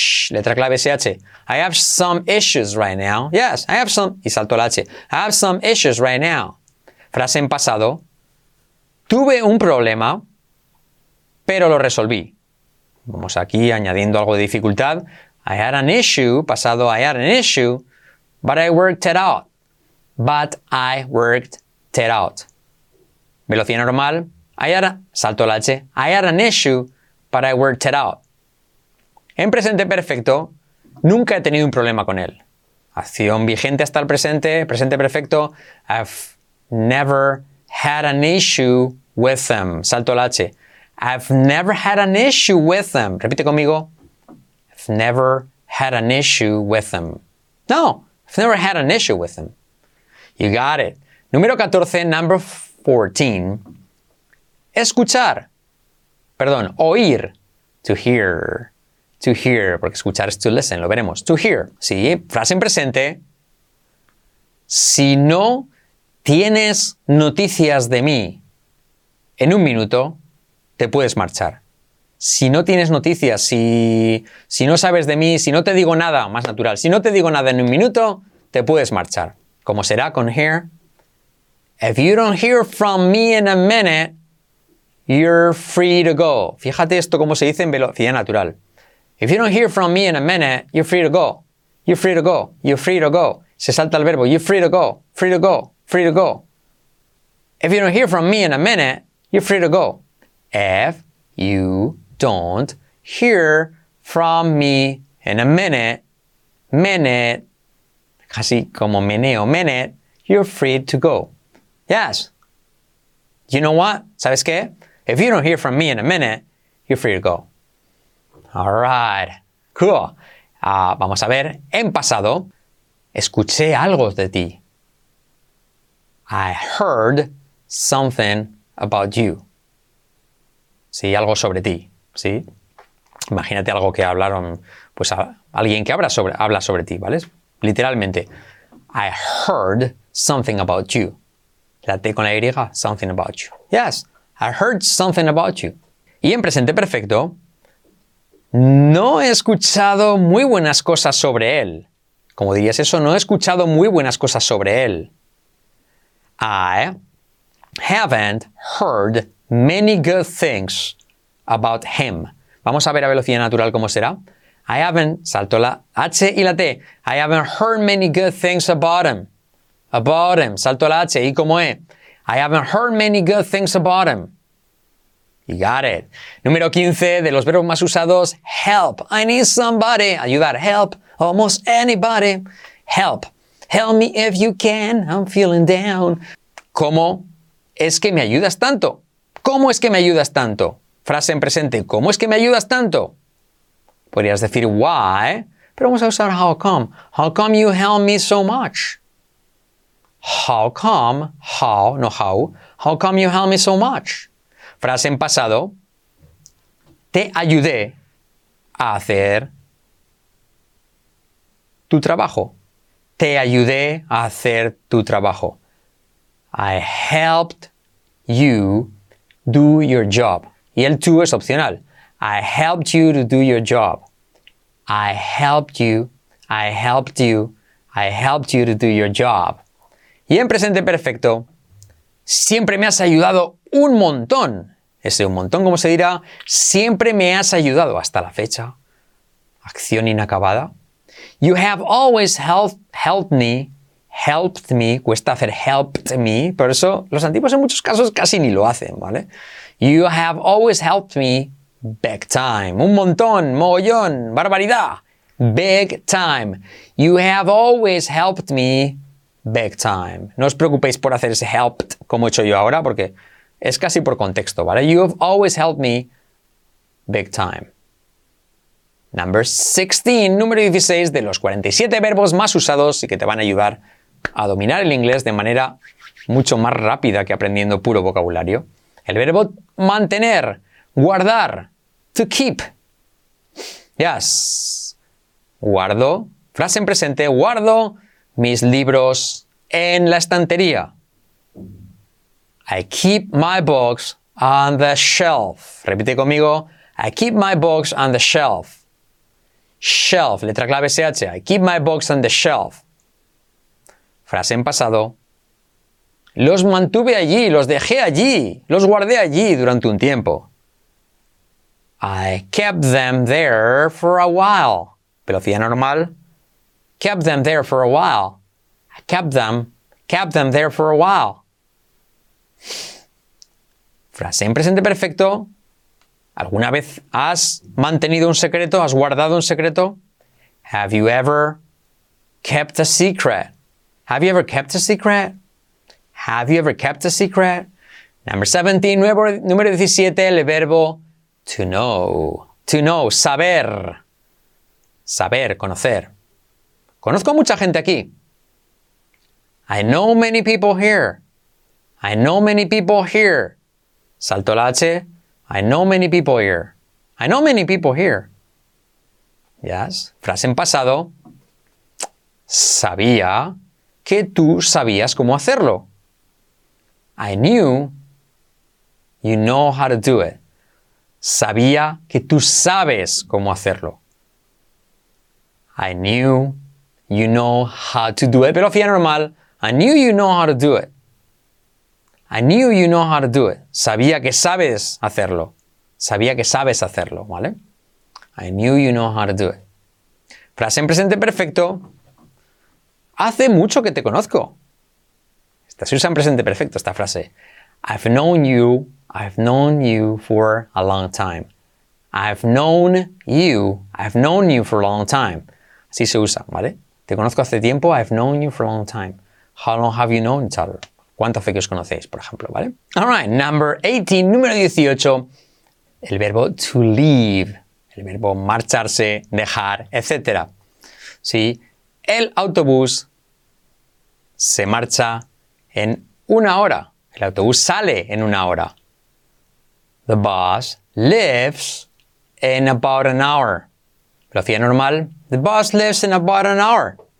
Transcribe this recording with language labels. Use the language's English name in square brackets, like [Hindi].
[English] Letra clave SH. I have some issues right now. Yes, I have some... [Spanish] Y salto la H. [English] I have some issues right now. [Spanish] Frase en pasado. Tuve un problema, pero lo resolví. Vamos aquí añadiendo algo de dificultad. [English] I had an issue. [Spanish] Pasado, [English] I had an issue. But I worked it out. But I worked it out. [Spanish] Velocidad normal. Salto la H. [English] I had an issue, but I worked it out. [Spanish] En presente perfecto, nunca he tenido un problema con él. Acción vigente hasta el presente. Presente perfecto. [English] I've never had an issue with them. [Spanish] Salto la H. [English] I've never had an issue with them. [Spanish] Repite conmigo. [English] I've never had an issue with them. No, I've never had an issue with them. You got it. [Spanish] Número 14, [English] number 14. [Spanish] Escuchar. Perdón, oír. [English] To hear. To hear, [Spanish] porque escuchar es [English] to listen, [Spanish] lo veremos. To hear, sí, frase en presente. Si no tienes noticias de mí en un minuto, te puedes marchar. Si no tienes noticias, si no sabes de mí, si no te digo nada, más natural, si no te digo nada en un minuto, te puedes marchar. ¿Cómo será con hear? [English] If you don't hear from me in a minute, you're free to go. [Spanish] Fíjate esto cómo se dice en velocidad natural. [English] If you don't hear from me in a minute, you're free to go. You're free to go. You're free to go. [Spanish] Se salta el verbo. [English] You're free to go. Free to go. Free to go. If you don't hear from me in a minute, you're free to go. If you don't hear from me in a minute, [Spanish] así como meneo, menet, [English] you're free to go. Yes. You know what? [Spanish] ¿Sabes qué? [English] If you don't hear from me in a minute, you're free to go. All right. Cool. [Spanish] Vamos a ver. En pasado, escuché algo de ti. [English] I heard something about you. [Spanish] Sí, algo sobre ti. Sí. Imagínate algo que hablaron, pues a alguien que habla sobre ti, ¿vale? Literalmente. [English] I heard something about you. [Spanish] La T con la Y, [English] something about you. Yes, I heard something about you. [Spanish] Y en presente perfecto, no he escuchado muy buenas cosas sobre él. ¿Cómo dirías eso? No he escuchado muy buenas cosas sobre él. [English] I haven't heard many good things about him. [Spanish] Vamos a ver a velocidad natural cómo será. [English] I haven't, [Spanish] salto la H y la T. [English] I haven't heard many good things about him. About him, [Spanish] salto la H, ¿y cómo es? [English] I haven't heard many good things about him. You got it. [Spanish] Número 15 de los verbos más usados, help. [English] I need somebody, ayudar, help, almost anybody. Help, help me if you can, I'm feeling down. [Spanish] ¿Cómo es que me ayudas tanto? ¿Cómo es que me ayudas tanto? Frase en presente, ¿cómo es que me ayudas tanto? Podrías decir why, pero vamos a usar how come. [English] How come you help me so much? How come, how, no how, how come you help me so much? [Spanish] Frase en pasado, te ayudé a hacer tu trabajo. Te ayudé a hacer tu trabajo. [English] I helped you do your job. [Spanish] Y el tú es opcional. [English] I helped you to do your job. I helped you, I helped you, I helped you to do your job. [Spanish] Y en presente perfecto, siempre me has ayudado un montón. Ese un montón, como se dirá, siempre me has ayudado hasta la fecha. Acción inacabada. [English] You have always helped me, [Spanish] cuesta hacer helped me, por eso los antiguos en muchos casos casi ni lo hacen, ¿vale? [English] You have always helped me big time. [Spanish] Un montón, mogollón, barbaridad. [English] Big time. You have always helped me big time. [Spanish] No os preocupéis por hacer ese helped como he hecho yo ahora, porque es casi por contexto, ¿vale? [English] You have always helped me big time. Number 16, [Spanish] número 16 de los 47 verbos más usados y que te van a ayudar a dominar el inglés de manera mucho más rápida que aprendiendo puro vocabulario. El verbo mantener, guardar, to keep. [English] Yes. [Spanish] Guardo, frase en presente, guardo mis libros en la estantería. [English] I keep my books on the shelf. [Spanish] Repite conmigo. [English] I keep my books on the shelf. Shelf, [Spanish] letra clave SH. [English] I keep my books on the shelf. [Spanish] Frase en pasado. Los mantuve allí, los dejé allí, los guardé allí durante un tiempo. [English] I kept them there for a while. [Spanish] Velocidad normal. [English] Kept them there for a while. I kept them there for a while. [Spanish] Frase en presente perfecto. ¿Alguna vez has mantenido un secreto? ¿Has guardado un secreto? [English] Have you ever kept a secret? Have you ever kept a secret? Have you ever kept a secret? Number 17, [Spanish] número 17, el verbo [English] to know. [Spanish] To know, saber. Saber, conocer. Conozco mucha gente aquí. [English] I know many people here. I know many people here. [Spanish] Salto la H. [English] I know many people here. I know many people here. Yes. [Spanish] Frase en pasado. Sabía que tú sabías cómo hacerlo. [English] I knew you know how to do it. [Spanish] Sabía que tú sabes cómo hacerlo. [English] I knew you know how to do it. [Spanish] Pero fíjate normal. [English] I knew you know how to do it. I knew you know how to do it. [Spanish] Sabía que sabes hacerlo. Sabía que sabes hacerlo, ¿vale? [English] I knew you know how to do it. [Spanish] Frase en presente perfecto. Hace mucho que te conozco. Esta se usa en presente perfecto, esta frase. [English] I've known you for a long time. I've known you for a long time. [Spanish] Así se usa, ¿vale? Te conozco hace tiempo. [English] I've known you for a long time. How long have you known each other? [Spanish] ¿Cuánto hace que os conocéis, por ejemplo, ¿vale? [English] All right, number 18, [Spanish] número 18. El verbo [English] to leave. [Spanish] El verbo marcharse, dejar, etc. ¿Sí? El autobús se marcha en una hora. El autobús sale en una hora. [English] The bus leaves in about an hour. [Spanish] Velocidad normal. [English] The bus leaves in about an hour.